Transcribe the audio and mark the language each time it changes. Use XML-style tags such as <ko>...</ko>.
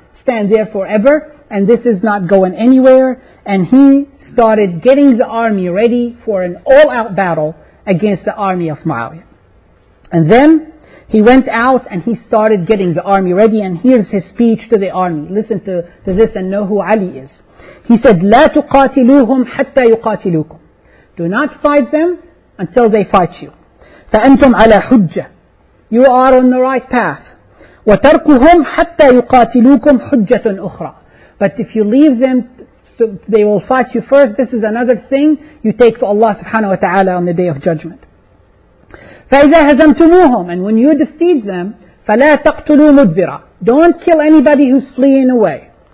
<en>stand there forever, and this is not going anywhere. And he started getting the army ready for an all-out battle against the army of Muawiyah. And then he went out and he started getting the army ready, and here's his speech to the army. Listen to this and know who Ali is. He said,</en> <ar>لا تقاتلوهم حتى يقاتلوكم.</ar> <en>Do not fight them until they fight you.</en> <ar>فأنتم على حجة.</ar> <en>You are on the right path.</en> <ar>وتركهم حتى يقاتلوكم حجة أخرى.</ar> <en>But if you leave them, so they will fight you first. This is another thing you take to Allah subhanahu wa ta'ala on the Day of Judgment.</en> <ar>فَإِذَا هَزَمْتُمُوهُمْ</ar> <en>And when you defeat them,</en> <ar>فَلَا تَقْتُلُوا مُدْبِرًا</ar> <en>Don't kill anybody who's fleeing away.</en>